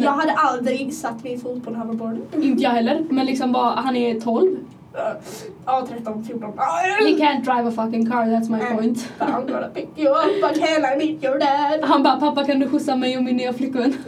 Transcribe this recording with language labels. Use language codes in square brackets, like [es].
[sv] Jag hade aldrig satt min fot på en hoverboard. Inte jag heller, men liksom bara, han är 12. Ja, 13, 14. [en] You can't drive a fucking car, that's my point. I'm gonna pick you up, but can I meet your dad? [sv] Han bara, pappa, kan du skjutsa mig och min nya flickvän?